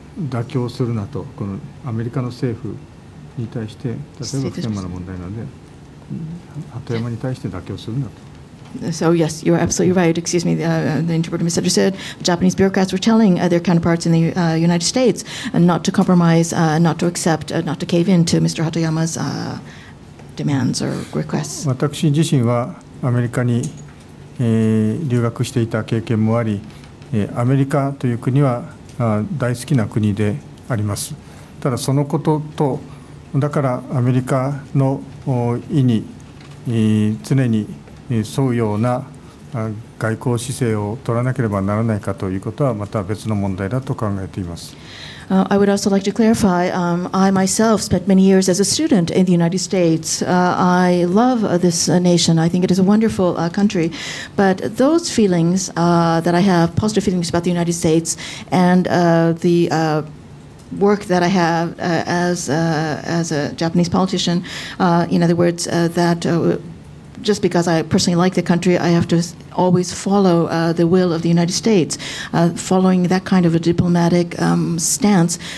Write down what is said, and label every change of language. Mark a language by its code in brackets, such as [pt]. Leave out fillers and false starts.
[ja] 妥協するなと、このアメリカの政府に対して、例えば普天間の問題なので、鳩山に対して妥協するなと。 [en] So yes, you are absolutely right. Excuse me, the interpreter misunderstood. Japanese bureaucrats were telling their counterparts in the United States not to compromise, not to accept, not to cave in to Mr. Hatoyama's demands or requests. [ja] 私自身はアメリカに、留学していた経験もあり、アメリカという国は大好きな国であります。ただそのこととだからアメリカの意に常に沿うような外交姿勢を取らなければならないかということはまた別の問題だと考えています。 [en] I would also like to clarify, I myself spent many years as a student in the United States. I love this nation. I think it is a wonderful country. But those feelings that I have, positive feelings about the United States and the work that I have as a Japanese politician, in other words, that just because I personally like the country, I have to always follow the will of the United States, following that kind of a diplomatic stance.